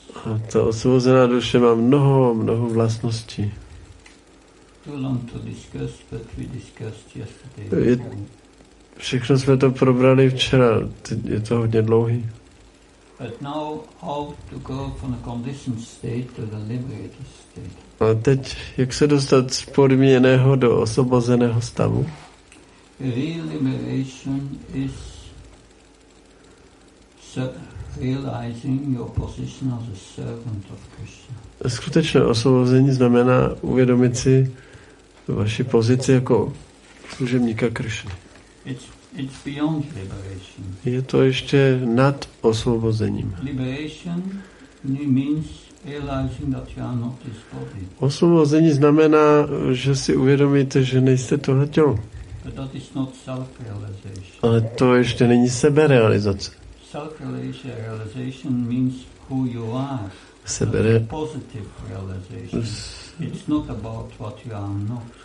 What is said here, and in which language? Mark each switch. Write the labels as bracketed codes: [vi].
[cs] A ta osvobozená duše má mnoho, mnoho vlastností. [en] Too long to discuss, but we discussed yesterday. [cs] Všechno jsme to probrali včera, je to hodně dlouhý. [en] But now how to go from a conditioned state to the liberated state. [cs] A teď, jak se dostat z podmíněného do osvobozeného stavu? [en] Real liberation is realizing your position as a servant of Krishna. [cs] Skutečné osvobození znamená uvědomit si vaši pozici jako služebníka Krishny. [en] It's beyond liberation. [cs] Je to ještě nad osvobozením. [en] Liberation means realizing that you are not this body. [cs] Osvobození znamená, že si uvědomíte, že nejste tohle tělo. [en] But that is not self-realization. [cs] Ale to ještě není seberealizace. [en] Self-realization means who you are. Positive realization. It's not about what you are not.